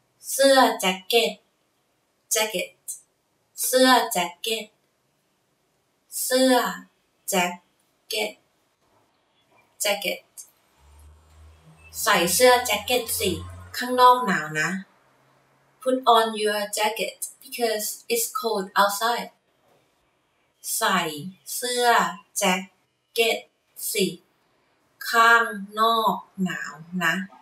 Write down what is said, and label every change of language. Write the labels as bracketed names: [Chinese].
[Thai] เสื้อแจ็คเก็ตแจ็คเก็ตเสื้อแจ็คเก็ตเสื้อแจ็คเก็ตแจ็คเก็ต. ใส่เสื้อแจ็คเก็ตสิข้างนอกหนาวนะ. [English] Put on your jacket because it's cold outside. [Thai] ใส่เสื้อแจ็คเก็ตสิข้างนอกหนาวนะ.